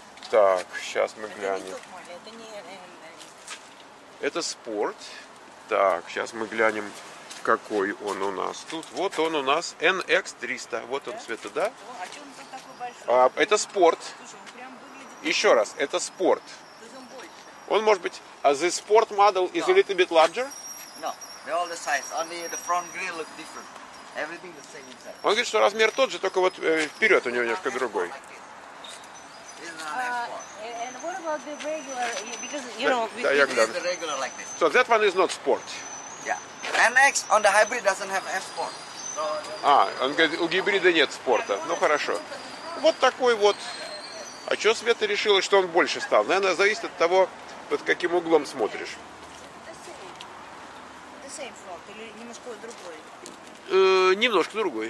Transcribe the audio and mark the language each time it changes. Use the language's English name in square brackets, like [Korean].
[Russian] Так, сейчас мы глянем. Это не тот маленький, это спорт. Так, сейчас мы глянем, какой он у нас тут. Вот он у нас, NX 300. Вот он, Света, да? А что он тут такой большой? Это спорт. Слушай, он прям выглядит... Еще раз, это спорт. То есть он больше. Он, может быть, [English] the sport model is a little bit larger? No, they're all the size. Only the front grille look different. Everything the same inside. [Russian] Он говорит, что размер тот же, только вот вперед у него немножко другой. [English] And what about the regular? Because you know, we use the regular like this. So that one is not sport. Yeah. NX on the hybrid doesn't have F sport. [Russian] А, он говорит, у гибрида нет спорта. Ну хорошо. Вот такой вот. А что Света решила, что он больше стал? Наверное, зависит от того, под каким углом смотришь. [English] The same front [Russian] или немножко другой? Немножко другой.